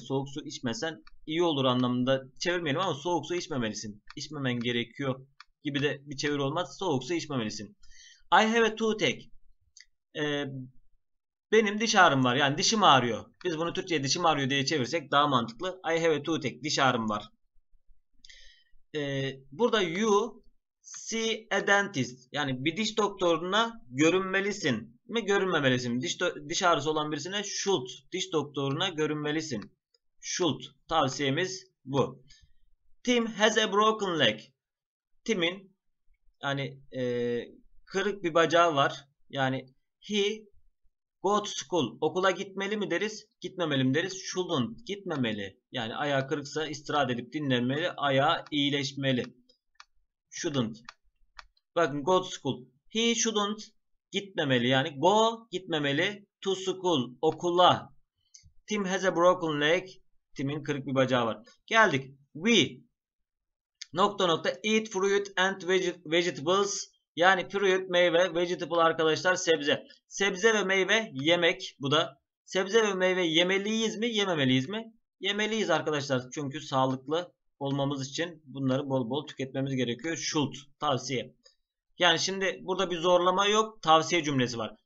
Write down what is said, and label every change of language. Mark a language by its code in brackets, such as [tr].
[tr] Soğuk su içmesen iyi olur anlamında çevirmeyelim ama soğuk su içmemelisin. İçmemen gerekiyor gibi de bir çevir olmaz. Soğuk su içmemelisin. [en] I have a toothache. [tr] Benim diş ağrım var. Yani dişim ağrıyor. Biz bunu Türkçe'ye dişim ağrıyor diye çevirsek daha mantıklı. [en] I have a toothache. [tr] Diş ağrım var. Burada [en] you see a dentist. [tr] Yani bir diş doktoruna görünmelisin mi görünmemelisin? Diş ağrısı olan birisine should. Diş doktoruna görünmelisin. Should. Tavsiyemiz bu. [en] Tim has a broken leg. [tr] Tim'in yani kırık bir bacağı var. Yani [en] he go to school. [tr] Okula gitmeli mi deriz? Gitmemeli mi deriz? Shouldn't. Gitmemeli. Yani ayağı kırıksa istirahat edip dinlenmeli. Ayağı iyileşmeli. Shouldn't. Bakın go to school. [en] He shouldn't. [tr] Gitmemeli. Yani go gitmemeli. To school. Okula. [en] Tim has a broken leg. [tr] Tim'in kırık bir bacağı var. Geldik. We. Nokta nokta. [en] Eat fruit and vegetables. [tr] Yani fruit meyve, vegetable arkadaşlar sebze. Sebze ve meyve yemek bu da. Sebze ve meyve yemeliyiz mi, yememeliyiz mi? Yemeliyiz arkadaşlar. Çünkü sağlıklı olmamız için bunları bol bol tüketmemiz gerekiyor. Should tavsiye. Yani şimdi burada bir zorlama yok. Tavsiye cümlesi var.